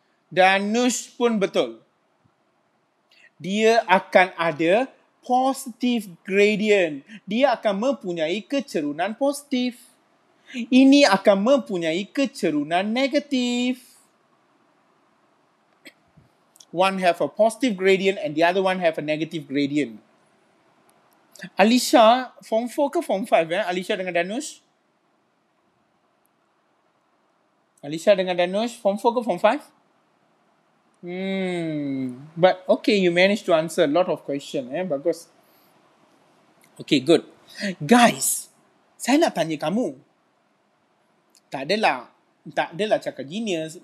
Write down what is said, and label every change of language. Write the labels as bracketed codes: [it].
[ms] Danush pun betul. Dia akan ada positive gradient. Dia akan mempunyai kecerunan positif. Ini akan mempunyai kecerunan negatif. [en] One have a positive gradient and the other one have a negative gradient. [ms] Alisha, form 4 ke form 5 eh? Alisha dengan Danush? Alisha dengan Danush, form 4 ke form 5? [en] But okay, you managed to answer a lot of question eh? Bagus. Okay, good. [ms] Guys, saya nak tanya kamu. Tak adalah. Tak adalah cakap genius.